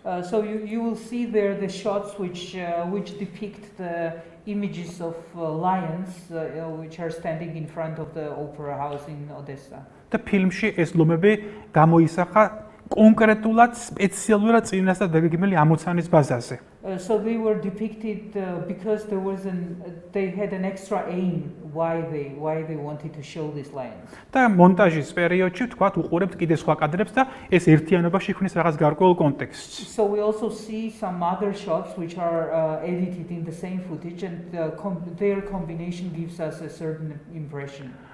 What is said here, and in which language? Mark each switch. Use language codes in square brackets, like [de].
[en] So you will see there the shots which depict the images of lions which are standing in front of the opera house in Odessa. [ka] The ფილმში ეს ლომები გამოისახა კონკრეტულად სპეციალურად წინასა დაგეგმილი ამოცანის ბაზაზე. [en] So they were depicted because there was they had an extra aim why they wanted to show these lines. [ka] და მონტაჟის პერიოდში თქვათ უყურებთ კიდე სხვა კადრებს და ეს ერთიანობა შექმნის რაღაც გარკვეულ კონტექსტს. [en] So we also see some other shots which are edited in the same footage and their combination gives us a certain impression.